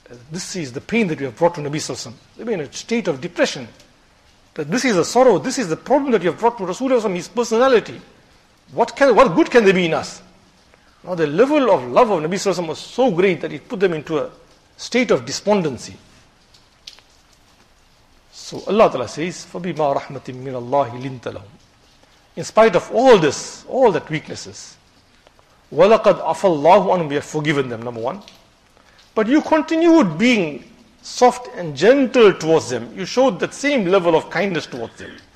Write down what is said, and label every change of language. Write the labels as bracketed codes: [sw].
[en] This is the pain that you have brought to Nabi Sallallahu Alaihi Wasallam. They were in a state of depression. That this is a sorrow, this is the problem that you have brought to Rasulullah Sallallahu Alaihi Wasallam, his personality. What good can there be in us? Now the level of love of Nabi Sallallahu Alaihi Wasallam was so great that it put them into a state of despondency. So Allah Ta'ala says, [ar] فَبِمَا رَحْمَةٍ مِّنَ اللَّهِ لِنْتَ لَهُمْ. [en] In spite of all this, all that weaknesses, [ar] وَلَقَدْ عَفَى اللَّهُ عَنْهُمْ. [en] We have forgiven them, number one. But you continued being soft and gentle towards them. You showed that same level of kindness towards them.